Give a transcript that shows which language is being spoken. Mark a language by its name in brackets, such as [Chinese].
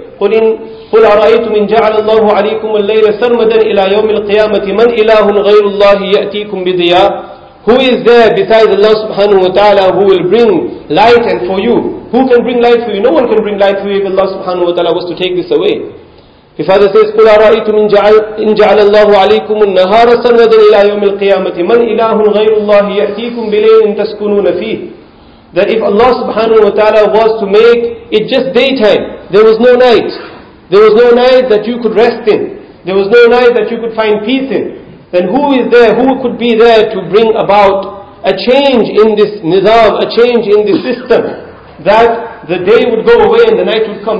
[Arabic] قُلْ أَرَأَيْتُمْ إِنْ جَعَلَ اللَّهُ عَلَيْكُمُ اللَّيْلَ سَرْمَدًا إِلَىٰ يَوْمِ الْقِيَامَةِ مَنْ إِلَهٌ غَيْرُ اللَّهِ يَأْتِيكُمْ بِضِيَاءٍ. [English] Who is there besides Allah subhanahu wa ta'ala who will bring light and for you? Who can bring light for you? No one can bring light for you if Allah subhanahu wa ta'ala was to take this away. His father says, [Arabic] قُلْ أَرَأَيْتُمْ إِنْ جَعَلَ اللَّهُ عَلَيْكُمُ النَّهَارَ سَرْمَدًا إِلَىٰ يَوْمِ الْقِيَامَةِ مَنْ إِلَهٌ غَيْرُ اللَّهِ يَأْتِيكُمْ بِلَيْلٍ تَسْكُنُونَ فِيهِ. [English] That if Allah subhanahu wa ta'ala was to make it just daytime, there was no night. There was no night that you could rest in. There was no night that you could find peace in. Then who is there, who could be there to bring about a change in this nizam, a change in this system, that the day would go away and the night would come?